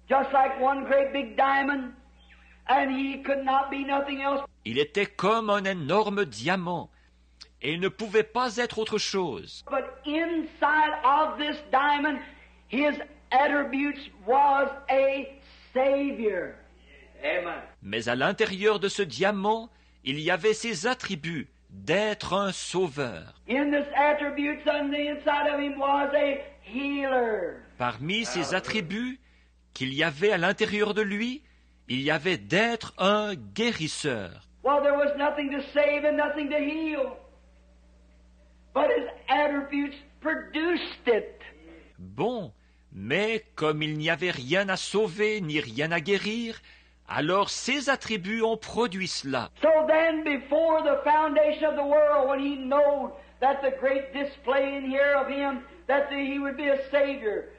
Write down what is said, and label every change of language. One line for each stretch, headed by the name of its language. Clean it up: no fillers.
English: Just like one great big diamond, and he could not be nothing else.
French: Il était comme un énorme diamant. Et il ne pouvait pas être autre chose.
English: But inside of this diamond, his attributes was a savior. Amen.
French: Mais à l'intérieur de ce diamant, il y avait ses attributs d'être un sauveur.
English: In this attributes on the inside of him was a healer.
French: Parmi ses attributs qu'il y avait à l'intérieur de lui, il y avait d'être un guérisseur.
English: Well, there was nothing to save and nothing to heal. But his attributes produced it.
French: Bon, mais comme il n'y avait rien à sauver ni rien à guérir, alors ses attributs ont produit cela.
English: So then before the foundation of the world, when he knew that the great display in here of him, that he would be a savior.